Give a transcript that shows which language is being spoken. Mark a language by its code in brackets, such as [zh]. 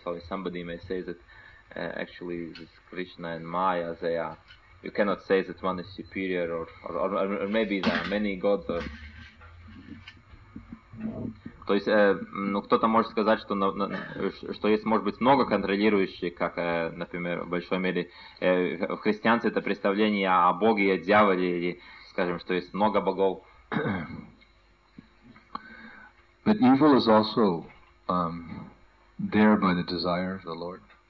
[en] So somebody may say that actually this Krishna and Maya, they are, you cannot say that one is superior or maybe there are many gods. [ru] Or то есть, ну, кто-то может сказать, что есть, может быть, много контролирующих, как, например, в большой мере в христианстве это представление о Боге и о дьяволе, или, скажем, что есть много богов. [en] But evil is also there by the desire of the Lord.